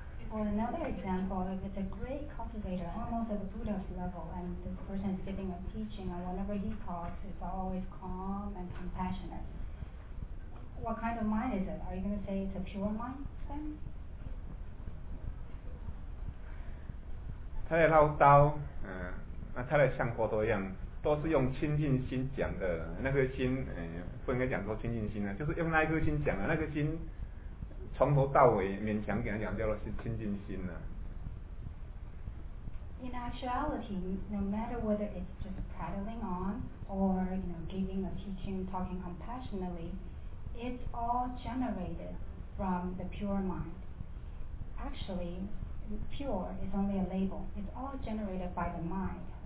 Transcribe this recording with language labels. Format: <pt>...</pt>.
<en>Or another example, if it's a great cultivator, almost at the Buddha's level, and this person is giving a teaching, and whenever he talks, it's always calm and compassionate. What kind of mind is it? Are you going to say it's a pure mind then?</en> <zh>他在唠叨，那他在像佛陀一样，都是用清净心讲的，那颗心，不应该讲说清净心，就是用那颗心讲的，那颗心从头到尾勉强给他讲叫做清净心了。</zh> <en>In actuality, no matter whether it's just prattling on or you know giving a teaching, talking compassionately, it's all generated from the pure mind. Actually, pure is only a label. It's all generated by the mind.</en>